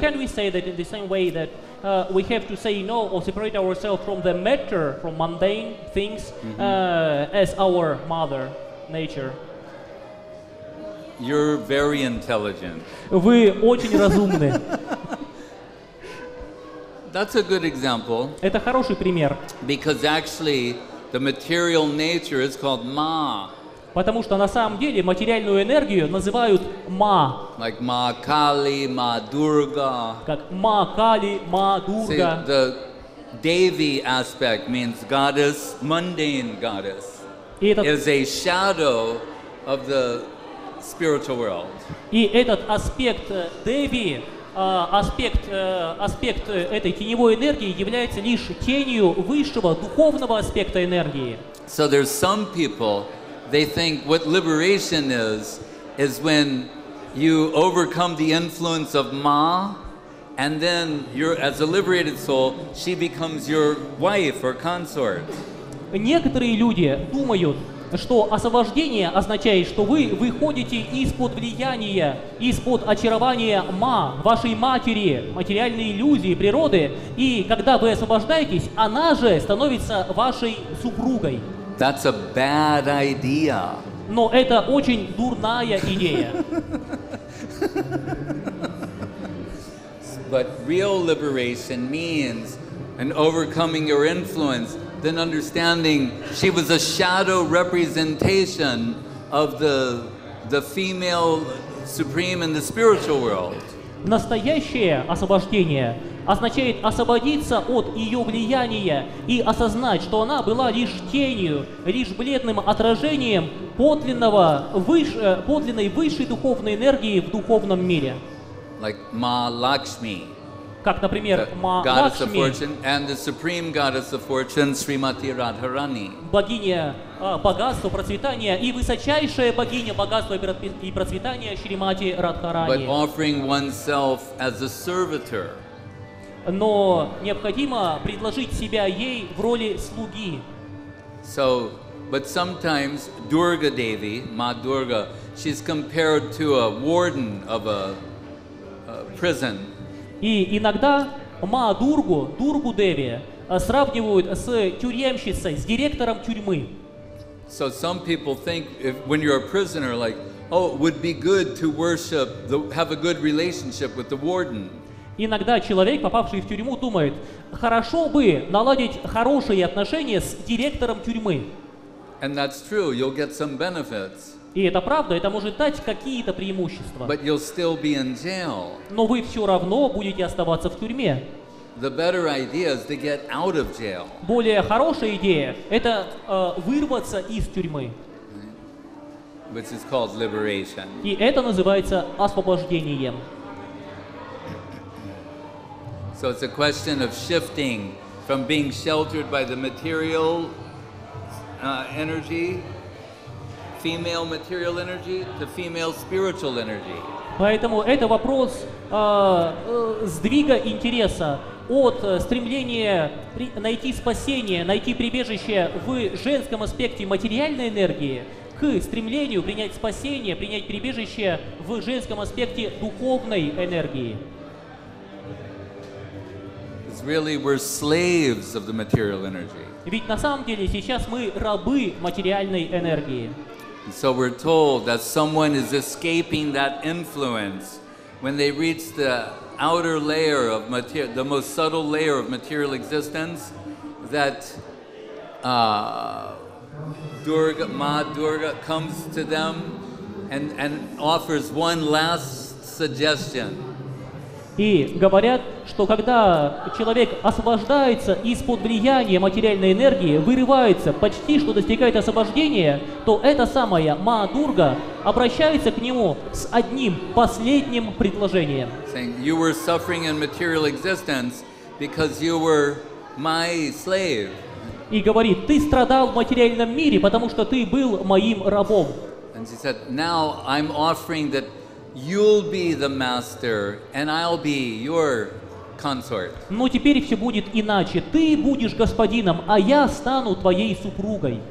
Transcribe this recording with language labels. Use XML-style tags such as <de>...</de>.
<en>Can we say that in the same way that we have to say no or separate ourselves from the matter, from mundane things, as our mother nature? You're very intelligent.</en> <ru>Вы очень разумны.</ru> <en>That's a good example.</en> <ru>Это хороший пример.</ru> <en>Because actually, the material nature is called ma.</en> <ru>Потому что на самом деле материальную энергию называют ма.</ru> <en>Like ma kali, ma durga.</en> <ru>Как ма кали, ма дурга.</ru> <en>See, the devi aspect means goddess, mundane goddess, is a shadow of the spiritual world.</en> <ru>И этот аспект деви. Аспект этой теневой энергии является лишь тенью высшего духовного аспекта энергии.</ru> <en>So there's some people, they think what liberation is when you overcome the influence of Ma, and then you're, as a liberated soul, she becomes your wife or consort.</en> <ru>Некоторые люди думают, что освобождение означает, что вы выходите из-под влияния, из-под очарования ма, вашей матери, материальной иллюзии, природы, и когда вы освобождаетесь, она же становится вашей супругой.</ru> <en>That's a bad idea.</en> <ru>Но это очень дурная идея.</ru> <en>But real liberation means an overcoming your influence. Then understanding she was a shadow representation of the female supreme in the spiritual world.</en> <ru>Настоящее освобождение означает освободиться от ее влияния и осознать, что она была лишь тенью, лишь бледным отражением подлинной высшей духовной энергии в духовном мире.</ru> <en>Like Ma Lakshmi.</en> <ru>Как, например,</ru> <en>goddess of fortune and the supreme goddess of fortune, Srimati Radharani.</en> <ru>Богиня богатства, процветания и высочайшая богиня богатства и процветания Шримати Радхарани.</ru> <en>But offering oneself as a servitor.</en> <ru>Но необходимо предложить себя ей в роли слуги.</ru> <en>So, but sometimes Durga Devi, Ma Durga, she's compared to a warden of a prison.</en> <ru>И иногда Ма Дургу, Дургу Деви, сравнивают с тюремщицей, с директором тюрьмы.</ru> <en>So some people think if, when you're a prisoner, like, oh, it would be good to worship, the, have a good relationship with the warden.</en> <ru>Иногда человек, попавший в тюрьму, думает, хорошо бы наладить хорошие отношения с директором тюрьмы.</ru> <en>And that's true, you'll get some benefits.</en> <ru>И это правда, это может дать какие-то преимущества.</ru> <en>But you'll still be in jail.</en> <ru>Но вы все равно будете оставаться в тюрьме.</ru> <en>The better idea is to get out of jail.</en> <ru>Более хорошая идея – это вырваться из тюрьмы.</ru> <en>Which is called liberation.</en> <ru>И это называется освобождением.</ru> <en>So it's a question of shifting from being sheltered by the material energy. Female material energy to female spiritual energy.</en> <ru>Поэтому это вопрос сдвига интереса от стремления найти спасение, найти прибежище в женском аспекте материальной энергии к стремлению принять спасение, принять прибежище в женском аспекте духовной энергии.</ru> <en>really we're slaves of the material energy.</en> <ru>Ведь на самом деле сейчас мы рабы материальной энергии.</ru> <en>So we're told that someone is escaping that influence when they reach the outer layer of the most subtle layer of material existence, that Durga, Ma Durga comes to them and offers one last suggestion.</en> <ru>И говорят, что когда человек освобождается из-под влияния материальной энергии, вырывается, почти что достигает освобождения, то эта самая Ма Дурга обращается к нему с одним последним предложением.</ru> <en>Saying, you were suffering in material existence because you were my slave.</en> <ru>И говорит, ты страдал в материальном мире, потому что ты был моим рабом.</ru> <en>And she said, now I'm offering that you'll be the master, and I'll be your consort.</en> <ru>Но теперь все будет иначе. Ты будешь господином, а я стану твоей супругой.</ru>